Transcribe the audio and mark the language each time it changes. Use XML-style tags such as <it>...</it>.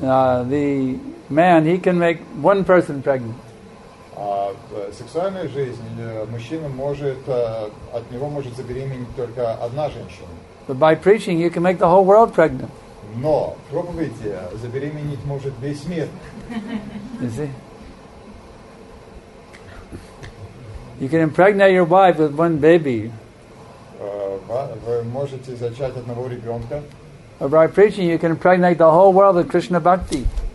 <en>The man, he can make one person pregnant.</en> <ru>Сексуальная жизнь, мужчина может, от него может забеременеть только одна женщина.</ru> <en>But by preaching, you can make the whole world pregnant.</en> <ru>Но проповедь забеременеть может весь мир.</ru> <en>You see? You can impregnate your wife with one baby.</en> <ru>Вы можете зачать одного ребенка.</ru> <en>But by preaching, you can impregnate the whole world with Krishna bhakti.</en>